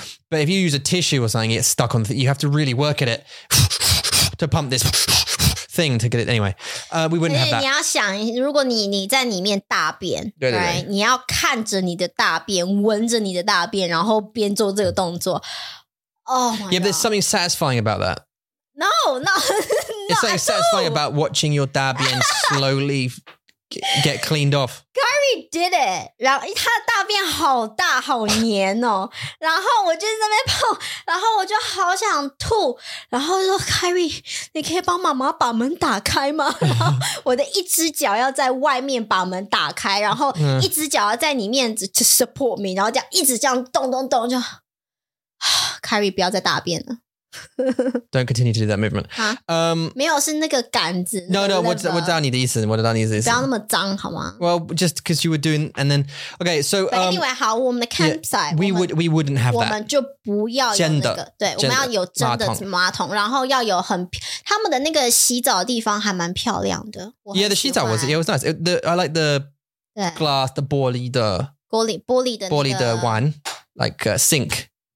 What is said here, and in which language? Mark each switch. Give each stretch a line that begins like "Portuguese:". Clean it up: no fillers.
English: But if you use a tissue or something, it's stuck on. You have to really work at it to pump this thing to get it. Anyway, we wouldn't have that.
Chinese: 你要想，如果你在里面大便，对对对， right? 你要看着你的大便，闻着你的大便，然后边做这个动作。
English: Oh my God. Yeah, but there's something satisfying about that. No, no. It's something satisfying about watching your dabian slowly get cleaned off. Gary did it.
Chinese: 然后他的大便好大好黏哦。然后我就在那边跑，然后我就好想吐。然后说 ，Gary， 你可以帮妈妈把门打开吗？然后我的一只脚要在外面把门打开，然后一只脚要在里面
English: to support me，
Chinese: 然后这样一直这样动动动就。 Carrie 不要再大便了。
English: Don't continue to do that movement.
Chinese: 哈，没有，是那个杆子。
English: No, no,
Chinese: 我知道你的意思，我知道你的意思。不要那么脏，好吗
English: ？Well, just because you were doing, and then, okay, so. But anyway, 好，我们的 campsite, yeah, we wouldn't have that.
Chinese: 我们就不要真的，对，我们要有真的马桶，然后要有很他们的那个洗澡的地方还蛮漂亮的。
English: Yeah, the 洗澡 was, yeah, it was nice. I like the glass, the
Chinese: 玻璃的碗
English: like a sink.